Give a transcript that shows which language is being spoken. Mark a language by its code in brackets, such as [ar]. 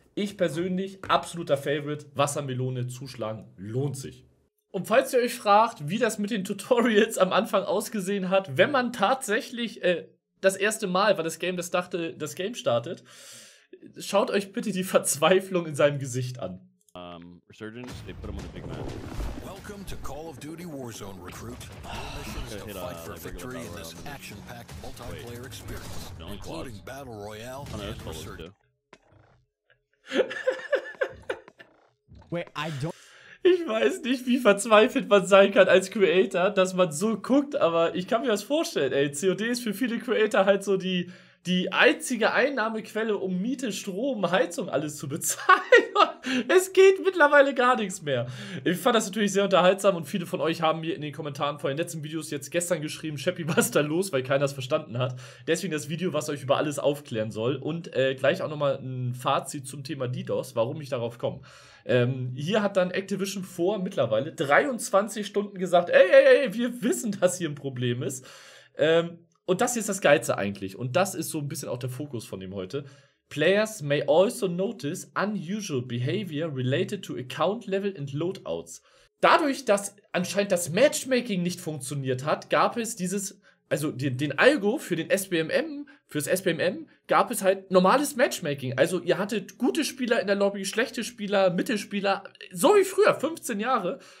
[de] Ich persönlich, absoluter Favorite, Wassermelone zuschlagen, lohnt sich. Und falls ihr euch fragt, wie das mit den Tutorials am Anfang ausgesehen hat, wenn man tatsächlich das erste Mal, weil das Game das dachte, das Game startet, schaut euch bitte die Verzweiflung in seinem Gesicht an. [en] Resurgence, they put him on the big map. Welcome to Call of Duty Warzone, recruit. Your mission is to fight for victory in this action-packed multiplayer experience, including Battle Royale and Resurgence. [de] Ich weiß nicht, wie verzweifelt man sein kann als Creator, dass man so guckt, aber ich kann mir das vorstellen, ey. COD ist für viele Creator halt so die einzige Einnahmequelle, um Miete, Strom, Heizung, alles zu bezahlen. Es geht mittlerweile gar nichts mehr. Ich fand das natürlich sehr unterhaltsam und viele von euch haben mir in den Kommentaren vor den letzten Videos jetzt gestern geschrieben, Shappy, was ist da los, weil keiner es verstanden hat. Deswegen das Video, was euch über alles aufklären soll. Und gleich auch nochmal ein Fazit zum Thema DDoS, warum ich darauf komme. Hier hat dann Activision vor mittlerweile 23 Stunden gesagt, ey, wir wissen, dass hier ein Problem ist. Und das hier ist das Geilste eigentlich. Und das ist so ein bisschen auch der Fokus von dem heute. [en] Players may also notice unusual behavior related to account level and loadouts. [de] Dadurch, dass anscheinend das Matchmaking nicht funktioniert hat, gab es dieses, also den Algo für den SBMM, fürs SBMM, gab es halt normales Matchmaking. Also ihr hattet gute Spieler in der Lobby, schlechte Spieler, Mittelspieler, so wie früher, 15 Jahre.